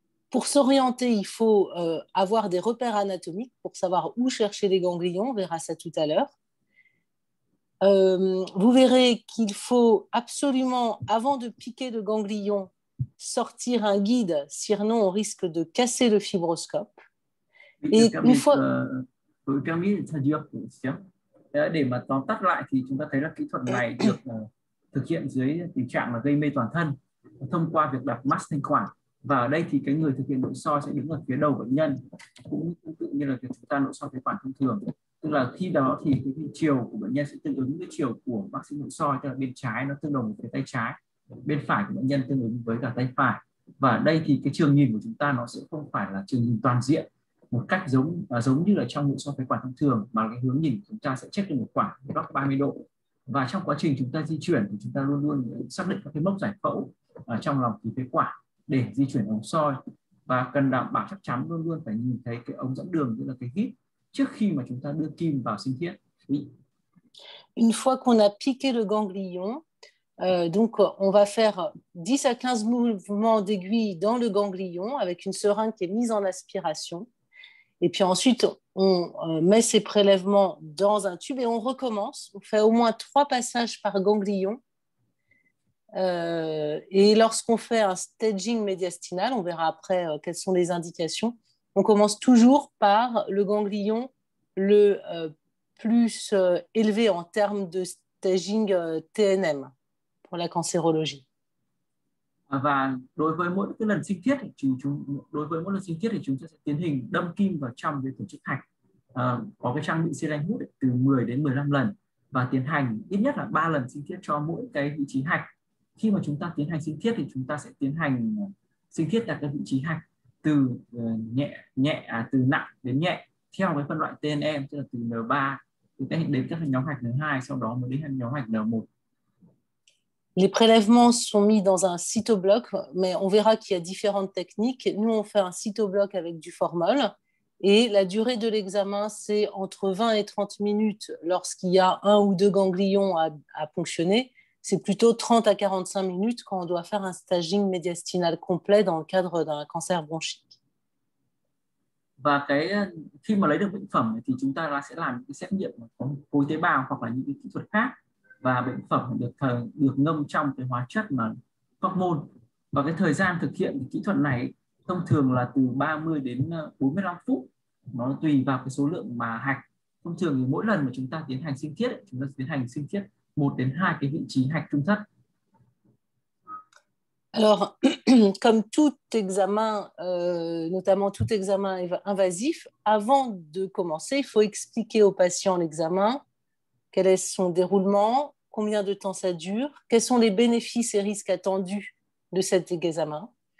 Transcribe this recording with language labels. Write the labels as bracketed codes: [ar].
[fr] Pour s'orienter, il faut avoir des repères anatomiques pour savoir où chercher les ganglions. On verra ça tout à l'heure. Vous verrez qu'il faut absolument, avant de piquer le ganglion, sortir un guide, sinon on risque de casser le fibroscope. Vous Et une fois. permis traduire, [vi] để mà tóm tắt lại thì chúng ta thấy là kỹ thuật này được thực hiện dưới tình trạng là gây mê toàn thân thông qua việc đặt mask thanh quản, và ở đây thì cái người thực hiện nội soi sẽ đứng ở phía đầu bệnh nhân cũng tương tự như là việc chúng ta nội soi phế quản thông thường, tức là khi đó thì cái chiều của bệnh nhân sẽ tương ứng với chiều của bác sĩ nội soi, tức là bên trái nó tương đồng với tay trái, bên phải của bệnh nhân tương ứng với cả tay phải, và ở đây thì cái trường nhìn của chúng ta nó sẽ không phải là trường nhìn toàn diện một cách giống giống như là trong nội soi phế quản thông thường, mà cái hướng nhìn của chúng ta sẽ check được một khoảng góc 30 độ, và trong quá trình chúng ta di chuyển thì chúng ta luôn luôn xác định các cái mốc giải phẫu ở trong lòng khí phế quản để di chuyển ống soi, và cần đảm bảo chắc chắn luôn luôn phải nhìn thấy cái ống dẫn đường, tức là cái hít, trước khi mà chúng ta đưa kim vào sinh thiết. [fr] Une fois qu'on a piqué le ganglion, donc on va faire 10 à 15 mouvements d'aiguille dans le ganglion avec une seringue qui est mise en aspiration. Et puis ensuite, on met ces prélèvements dans un tube et on recommence. On fait au moins 3 passages par ganglion. Et lorsqu'on fait un staging médiastinal, on verra après quelles sont les indications, on commence toujours par le ganglion le plus élevé en termes de staging TNM pour la cancérologie. [vi] Và đối với mỗi cái lần sinh thiết thì đối với mỗi lần sinh thiết thì chúng ta sẽ tiến hành đâm kim vào trong cái tổ chức hạch có cái trang bị xi-lanh hút từ 10 đến 15 lần và tiến hành ít nhất là 3 lần sinh thiết cho mỗi cái vị trí hạch. Khi mà chúng ta tiến hành sinh thiết thì chúng ta sẽ tiến hành sinh thiết tại cái vị trí hạch từ nhẹ nhẹ à, từ nặng đến nhẹ theo cái phân loại TNM tức là từ N3 chúng ta đến các nhóm hạch N2 sau đó mới đến nhóm hạch N1. [fr] Les prélèvements sont mis dans un cytobloc, mais on verra qu'il y a différentes techniques. Nous, on fait un cytobloc avec du formol et la durée de l'examen, c'est entre 20 et 30 minutes lorsqu'il y a un ou deux ganglions à ponctionner. C'est plutôt 30 à 45 minutes quand on doit faire un staging médiastinal complet dans le cadre d'un cancer bronchique. [vi] Và cái khi mà lấy được bệnh phẩm thì chúng ta sẽ làm những cái xét nghiệm có khối tế bào hoặc là những cái kỹ thuật khác và bệnh phẩm được ngâm trong cái hóa chất mà hormone và cái thời gian thực hiện kỹ thuật này thông thường là từ 30 đến 45 phút nó tùy vào cái số lượng mà hạch thông thường thì mỗi lần mà chúng ta tiến hành sinh thiết chúng ta tiến hành sinh thiết 1 đến 2 cái vị trí hạch trung thất. [fr] Alors, comme tout examen, notamment tout examen invasif, avant de commencer, il faut expliquer au patient l'examen, quel est son déroulement, combien de temps ça dure, quels sont les bénéfices et risques attendus de cet examen.